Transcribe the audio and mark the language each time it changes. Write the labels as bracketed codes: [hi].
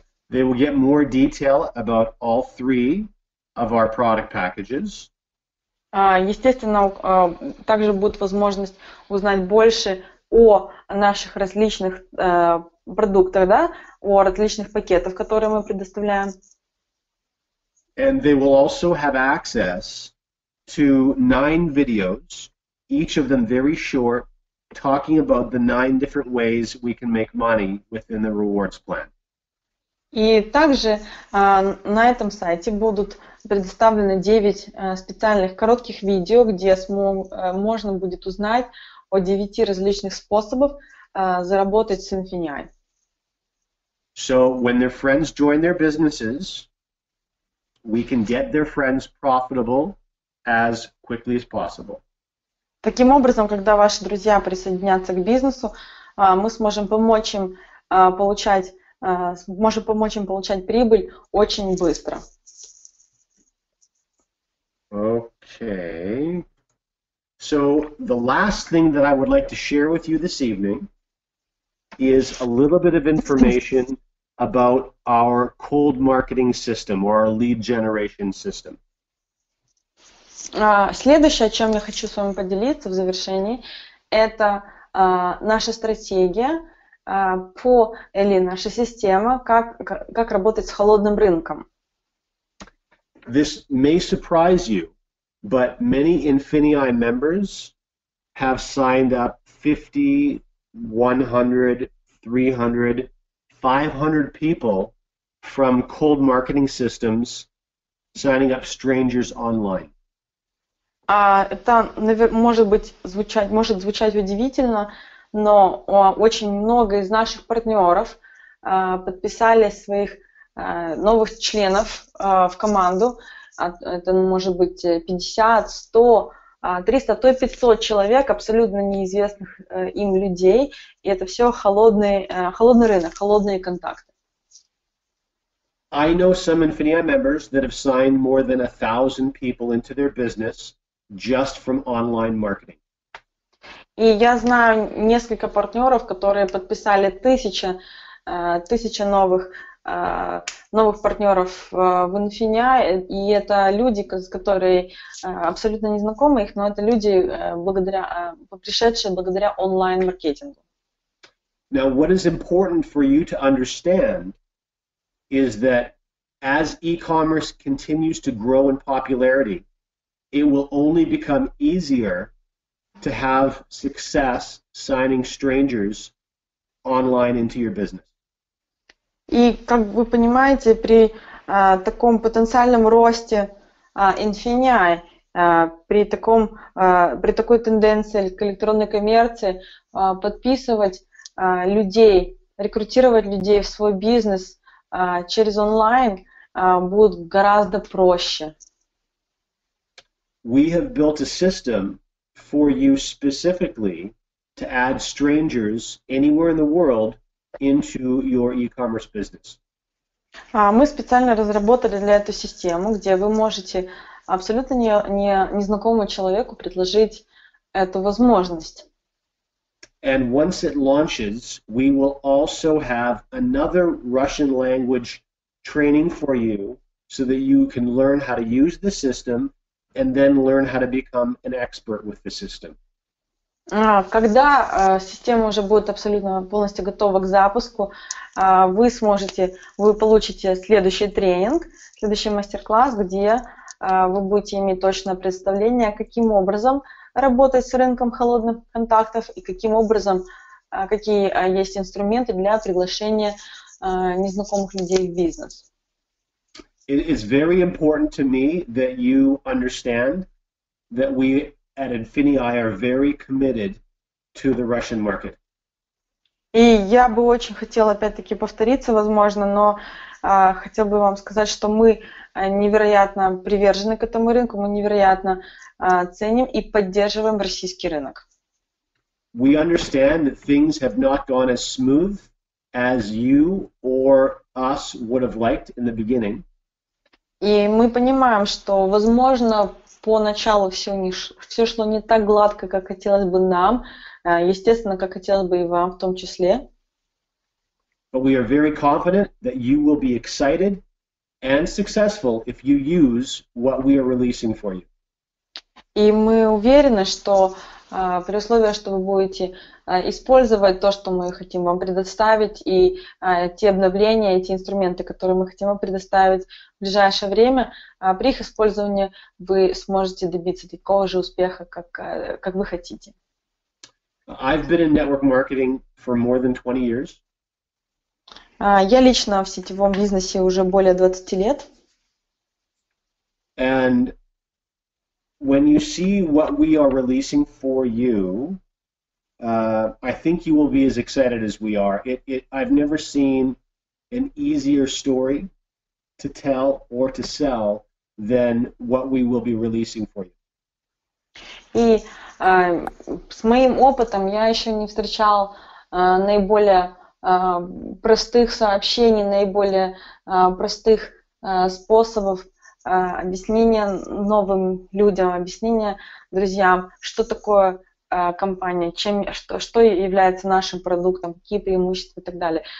[en] They will get more detail about all 3 of our product packages. [ru] Естественно, также будет возможность узнать больше о наших различных продуктах, да, о различных пакетах, которые мы предоставляем. [en] And they will also have access to 9 videos, each of them very short, talking about the 9 different ways we can make money within the rewards plan. [ru] И также на этом сайте будут предоставлены 9 специальных коротких видео, где можно будет узнать о 9 различных способах заработать с Infinii. [en] So when their friends join their businesses, we can get their friends profitable as quickly as possible. [ru] Таким образом, когда ваши друзья присоединятся к бизнесу, мы сможем помочь им получать прибыль очень быстро. [en] Okay. So the last thing that I would like to share with you this evening is a little bit of information about our cold marketing system or our lead generation system. [ru] Следующее, о чем я хочу с вами поделиться в завершении, это наша стратегия или наша система, как работать с холодным рынком. [en] This may surprise you, but many Infinii members have signed up 50, 100, 300, 500 people from cold marketing systems, signing up strangers online. [ru] Это может звучать удивительно, но очень много из наших партнеров подписали своих новых членов в команду. Это может быть 50, 100, 300, то и 500 человек, абсолютно неизвестных им людей. И это все холодный рынок, холодные контакты. [en] I know some Infinii members that have signed more than 1,000 people into their business just from online marketing. [ru] И я знаю несколько партнеров, которые подписали 1000 новых партнеров в Infinii, и это люди, которые абсолютно незнакомы их, но это люди, пришедшие благодаря онлайн-маркетингу. [en] Now, what is important for you to understand is that as e-commerce continues to grow in popularity, it will only become easier to have success signing strangers online into your business. [ru] И как вы понимаете, при таком потенциальном росте Infinii, при такой тенденции к электронной коммерции, подписывать людей, рекрутировать людей в свой бизнес через онлайн будет гораздо проще. [en] We have built a system for you specifically to add strangers anywhere in the world into your e-commerce business. [ru] Мы специально разработали для этой системы, где вы можете абсолютно незнакомому человеку предложить эту возможность. [en] And once it launches, we will also have another Russian language training for you so that you can learn how to use the system and then learn how to become an expert with the system. [ru] Когда система уже будет абсолютно полностью готова к запуску, вы получите следующий тренинг, следующий мастер-класс, где вы будете иметь точное представление, каким образом работать с рынком холодных контактов и каким образом, какие есть инструменты для приглашения незнакомых людей в бизнес. [en] It is very important to me that you understand that we at Infinii are very committed to the Russian market. [ru] И я бы очень хотел опять-таки повториться, возможно, но хотел бы вам сказать, что мы невероятно привержены к этому рынку, мы невероятно ценим и поддерживаем российский рынок. [en] We understand that things have not gone as smooth as you or us would have liked in the beginning. [ru] И мы понимаем, что, возможно, поначалу все шло не так гладко, как хотелось бы нам, естественно, как хотелось бы и вам в том числе. [en] But we are very confident that you will be excited and successful if you use what we are releasing for you. [ru] И мы уверены, что при условии, что вы будете использовать то, что мы хотим вам предоставить, и те обновления, эти инструменты, которые мы хотим вам предоставить в ближайшее время, при их использовании вы сможете добиться такого же успеха, как вы хотите. [en] I've been in network marketing for more than 20 years. [ru] Я лично в сетевом бизнесе уже более 20 лет. [en] And when you see what we are releasing for you, I think you will be as excited as we are. I've never seen an easier story to tell or to sell than what we will be releasing for you. [ru] И с моим опытом я еще не встречал наиболее простых сообщений, наиболее простых способов объяснение новым людям, объяснение друзьям, что такое компания, что является нашим продуктом, какие преимущества и так далее.